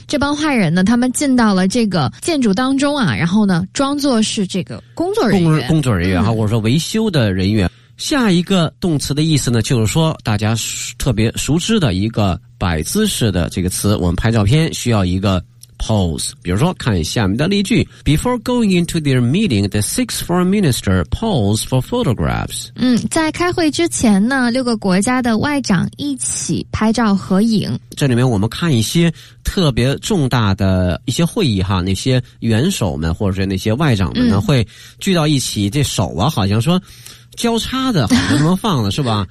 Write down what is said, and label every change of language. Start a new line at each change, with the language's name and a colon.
Chinese: 这帮坏人呢他们进到了这个建筑当中啊，然后呢装作是这个工作人员工作人员或者说维修的人员。下一个动词的意思呢，就是说大家特别熟知的一个摆姿势的这个词，我们拍照片需要一个 pose。比如说看下面的例句，
English: Before going into their meeting, the six foreign ministers pose for photographs。
Chinese: 在开会之前呢，六个国家的外长一起拍照合影。这里面我们看一些特别重大的一些会议哈，那些元首们或者是那些外长们呢，会聚到一起，这手啊好像说交叉的，好像能放的是吧？